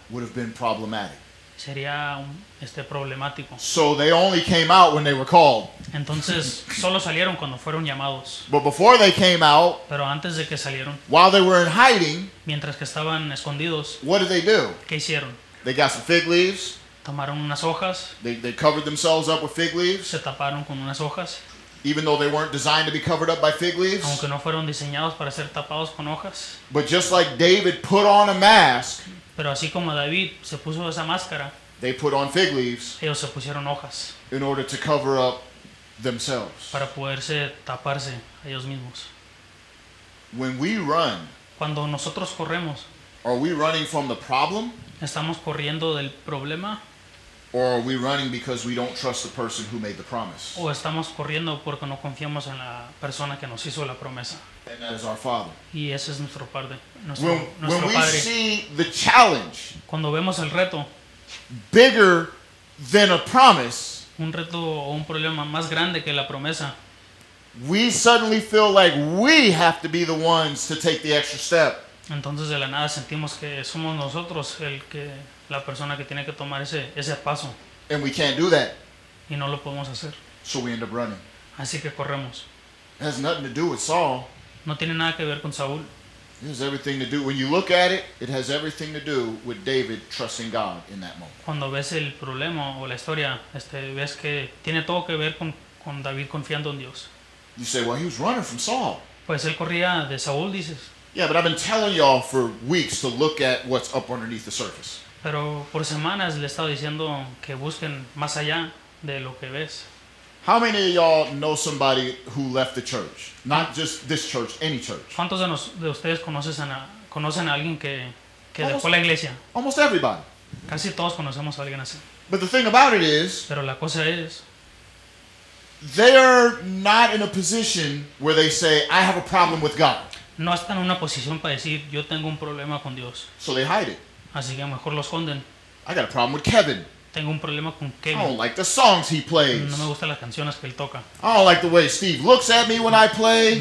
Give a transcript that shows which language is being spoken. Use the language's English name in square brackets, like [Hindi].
[English] would have been problematic. [Spanish] Sería problemático. [English] So they only came out when they were called. [Spanish] Entonces, solo salieron cuando fueron llamados. [English] But before they came out, [Spanish] pero antes de que salieron, [English] while they were in hiding, [Spanish] mientras que estaban escondidos, [English] what did they do? [Spanish] ¿Qué hicieron? [English] They got some fig leaves. [Spanish] Tomaron unas hojas. [English] They covered themselves up with fig leaves. [Spanish] Se taparon con unas hojas. [English] Even though they weren't designed to be covered up by fig leaves. [Spanish] Aunque no fueron diseñados para ser tapados con hojas. [English] But just like David put on a mask, [Spanish] pero así como David se puso esa máscara, [English] they put on fig leaves, [Spanish] ellos se pusieron hojas, [English] in order to cover up themselves, [Spanish] para poderse taparse a ellos mismos. [English] When we run, [Spanish] cuando nosotros corremos, [English] are we running from the problem? [Spanish] ¿Estamos corriendo del problema? [English] Or are we running because we don't trust the person who made the promise? [Spanish] ¿O estamos corriendo porque no confiamos en la persona que nos hizo la promesa? [English] And that is our Father. [Spanish] Y ese es nuestro Padre. [English] When we [Spanish] padre, [English] see the challenge, [Spanish] cuando vemos el reto, [English] bigger than a promise, [Spanish] un reto o un problema más grande que la promesa, [English] we suddenly feel like we have to be the ones to take the extra step. [Spanish] Entonces de la nada sentimos que somos nosotros el que la persona que tiene que tomar ese paso. [English] And we can't do that. [Spanish] Y no lo podemos hacer. [English] So we end up running. [Spanish] Así que corremos. [English] It has nothing to do with Saul. [Spanish] No tiene nada que ver con Saúl. [English] It has everything to do. When you look at it, it has everything to do with David trusting God in that moment. [Spanish] Cuando ves el problema o la historia, ves que tiene todo que ver con con David confiando en Dios. [English] You say, well, he was running from Saul. [Spanish] Pues él corría de Saúl, dices. [English] Yeah, but I've been telling y'all for weeks to look at what's up underneath the surface. [Spanish] Pero por semanas le he estado diciendo que busquen más allá de lo que ves. [English] How many of y'all know somebody who left the church? Not just this church, any church. [Spanish] ¿Cuántos de ustedes conocen a alguien que dejó la iglesia? [English] Almost everybody. [Spanish] Casi todos conocemos a alguien así. [English] But the thing about it is, [Spanish] pero la cosa es, [English] they are not in a position where they say, I have a problem with God. [Spanish] No están en una posición para decir, yo tengo un problema con Dios. [English] So they hide it. [Spanish] Así que mejor lo esconden. [English] I got a problem with Kevin. [Spanish] Tengo un problema con Kevin. [English] I don't like the songs he plays. [Spanish] No me gustan las canciones que él toca. [English] I don't like the way Steve looks at me when I play.